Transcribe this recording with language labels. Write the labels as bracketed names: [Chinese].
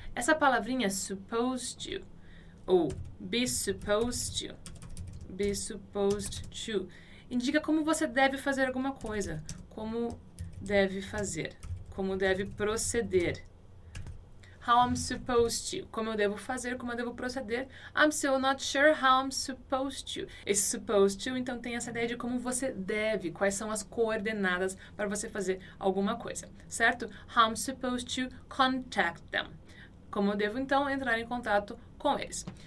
[Portuguese] Essa palavrinha supposed to ou be supposed to, be supposed to, indica como você deve fazer alguma coisa, como deve fazer, como deve proceder. [English] How I'm supposed to. [Portuguese] Como eu devo fazer, como eu devo proceder. [English] I'm still not sure how I'm supposed to. [Portuguese] Esse supposed to, então, tem essa ideia de como você deve, quais são as coordenadas para você fazer alguma coisa, certo? [English] How I'm supposed to contact them. [Portuguese] Como eu devo, então, entrar em contato com eles.